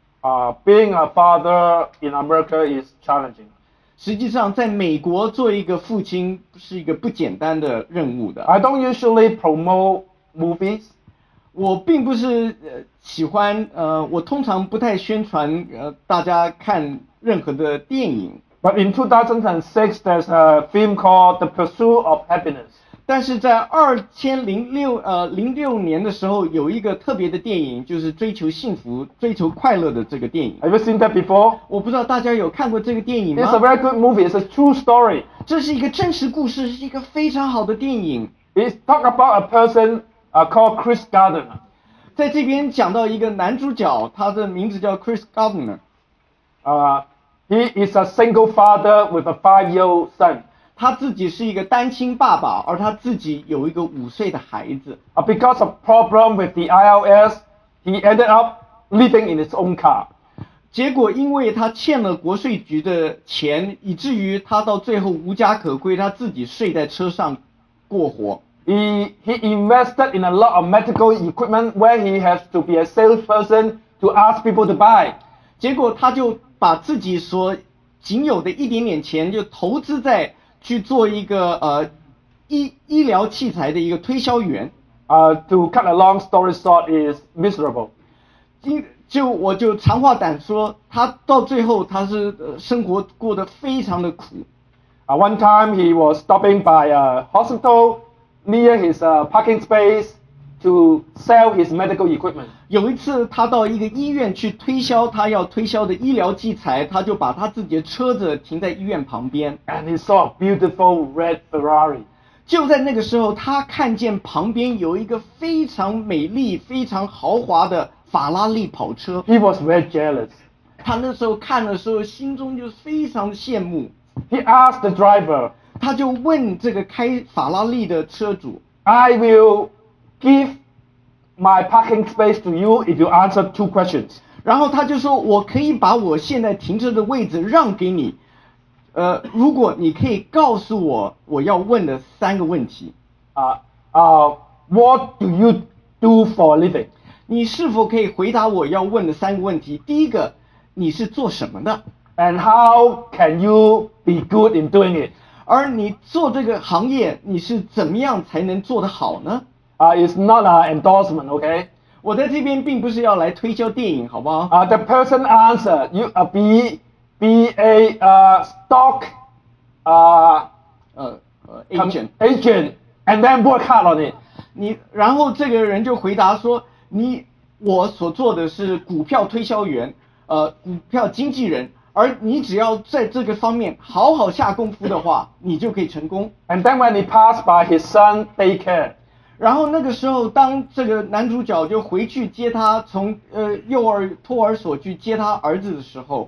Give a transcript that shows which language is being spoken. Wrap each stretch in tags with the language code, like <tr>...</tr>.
<en>Being a father in America is challenging.</en> <zh>实际上在美国做一个父亲是一个不简单的任务的。</zh> <en>I don't usually promote movies.</en> <zh>我并不是喜欢我通常不太宣传大家看任何的电影。</zh> <en>But in 2006, there's a film called The Pursuit of Happiness.</en> <zh>但是在2006年的时候，有一个特别的电影，就是追求幸福、追求快乐的这个电影。</zh> <en>Have you seen that before?</en> <zh>我不知道大家有看过这个电影吗</zh> <en>？It's a very good movie. It's a true story.</en> <zh>这是一个真实故事，是一个非常好的电影。</zh> <en>It's talk about a person called Chris Gardner.</en> <zh>在这边讲到一个男主角，他的名字叫 Chris Gardner.</zh> <en>He is a single father with a 5-year-old son.</en> <zh>他自己是一个单亲爸爸，而他自己有一个5岁的孩子。</zh> <en>Because of problem with the IRS, he ended up living in his own car.</en> <zh>结果因为他欠了国税局的钱，以至于他到最后无家可归，他自己睡在车上过活。</zh> <en>He invested in a lot of medical equipment where he has to be a salesperson to ask people to buy.</en> <zh>结果他就把自己所仅有的一点点钱就投资在去做一个医疗器材的一个推销员。</zh> <en>To cut a long story short is miserable.</en> <zh>我就长话短说，他到最后他是生活过得非常的苦。</zh> <en>One time he was stopping by a hospital near his parking space. To sell his medical equipment.</en> <zh>有一次他到一个医院去推销他要推销的医疗器材，他就把他自己的车子停在医院旁边。</zh> <en>And he saw a beautiful red Ferrari.</en> <zh>就在那个时候，他看见旁边有一个非常美丽、非常豪华的法拉利跑车。</zh> <en>He was very jealous.</en> <zh>他那时候看的时候，心中就非常羡慕。</zh> <en>He asked the driver.</en> <zh>他就问这个开法拉利的车主</zh> <en>，I will. Give my parking space to you if you answer 2 questions.</en> <zh>然后他就说，我可以把我现在停车的位置让给你，如果你可以告诉我我要问的3个问题。</zh> <en>What do you do for a living?</en> <zh>你是否可以回答我要问的3个问题？第一个，你是做什么的</zh> <en>？And how can you be good in doing it?</en> <zh>而你做这个行业，你是怎么样才能做得好呢？</zh> <en>It's not an endorsement, okay?</en> <zh>我在这边并不是要来推销电影，好不好？</zh> <en>The person answer, you be a stock agent, and then work hard on it.</en> <zh>你然后这个人就回答说，我所做的是股票推销员，股票经纪人，而你只要在这个方面好好下功夫的话，你就可以成功。</zh> <en>And then when he passed by his son Baker,</en> <zh>然后那个时候，当这个男主角就回去接他，从托儿所去接他儿子的时候</zh>